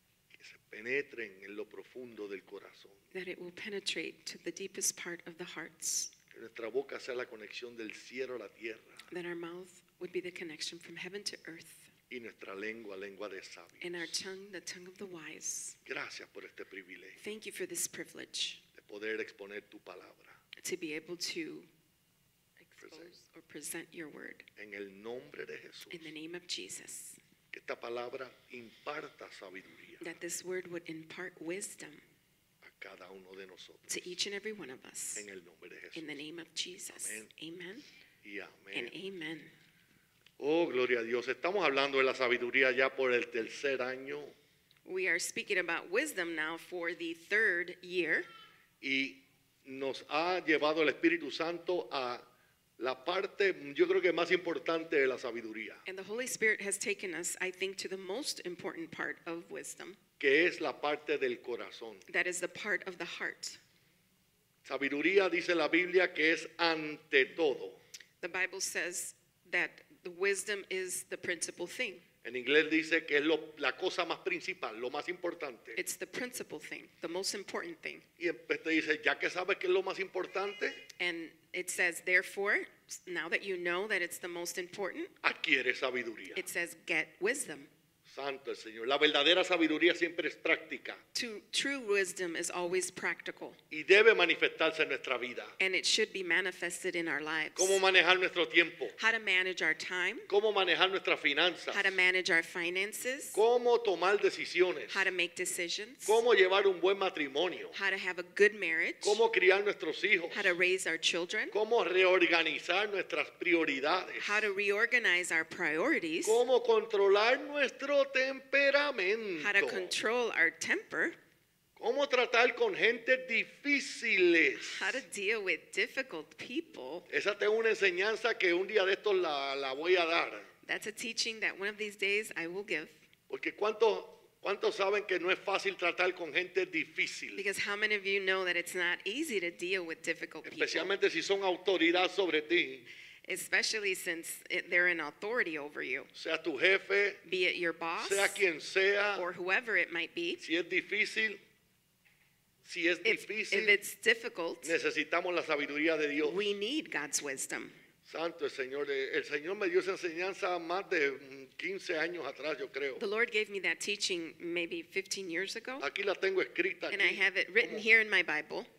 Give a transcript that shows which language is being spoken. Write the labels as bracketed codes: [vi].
[es] Que se penetren en lo profundo del corazón. [en] That it will penetrate to the deepest part of the hearts. [es] Que nuestra boca sea la conexión del cielo a la tierra. [en] That our mouth would be the connection from heaven to earth. [es] Y nuestra lengua, lengua de sabios. [en] And our tongue, the tongue of the wise. [es] Gracias por este privilegio. [en] Thank you for this privilege. [es] De poder exponer tu palabra. [en] To be able to expose or present your word. [es] En el nombre de Jesús. [en] In the name of Jesus. [es] Que esta palabra imparta sabiduría. [en] That this word would impart wisdom. [es] A cada uno de nosotros. [en] To each and every one of us. [es] En el nombre de Jesús. [en] In the name of Jesus. Amen. [es] Y amén. [en] And amen. [es] Oh, gloria a Dios. Estamos hablando de la sabiduría ya por el tercer año. [en] We are speaking about wisdom now for the third year. [es] Y nos ha llevado el Espíritu Santo a la parte, yo creo que más importante de la sabiduría. [en] And the Holy Spirit has taken us, I think, to the most important part of wisdom. [es] Que es la parte del corazón. [en] That is the part of the heart. [es] Sabiduría, dice la Biblia, que es ante todo. [en] The Bible says that the wisdom is the principal thing. [es] En inglés dice que es la cosa más principal, lo más importante. [en] It's the principal thing, the most important thing. [es] Y te dice, ya que sabes que es lo más importante. [en] And it says, therefore, now that you know that it's the most important. [es] Adquiere sabiduría. [en] It says, get wisdom. [es] Santo el Señor. La verdadera sabiduría siempre es práctica. [en] True wisdom is always practical. [es] Y debe manifestarse en nuestra vida. [en] And it should be manifested in our lives. [es] ¿Cómo manejar nuestro tiempo? [en] How to manage our time. [es] ¿Cómo manejar nuestras finanzas? [en] How to manage our finances. [es] ¿Cómo tomar decisiones? [en] How to make decisions. [es] ¿Cómo llevar un buen matrimonio? [en] How to have a good marriage. [es] ¿Cómo criar nuestros hijos? [en] How to raise our children. [es] ¿Cómo reorganizar nuestras prioridades? [en] How to reorganize our priorities. [es] ¿Cómo controlar nuestro temperamento? [en] How to control our temper. [es] ¿Cómo tratar con gente difíciles? [en] How to deal with difficult people. [es] Esa es una enseñanza que un día de estos la voy a dar. [en] That's a teaching that one of these days I will give. [es] Porque ¿cuántos saben que no es fácil tratar con gente difícil? [en] Because how many of you know that it's not easy to deal with difficult people? [es] Especialmente si son autoridad sobre ti. [en] Especially since they're in authority over you. [es] Sea tu jefe, [en] be it your boss, [es] sea quien sea, [en] or whoever it might be. [es] Si es difícil, si es difícil, [en] if it's difficult, [es] necesitamos la sabiduría de Dios. [en] We need God's wisdom. [es] Santo el Señor. El Señor me dio esa enseñanza más de 15 años atrás, yo creo. [en] The Lord gave me that teaching maybe 15 years ago. [es] Aquí la tengo escrita. [en] And I have it written here in my Bible.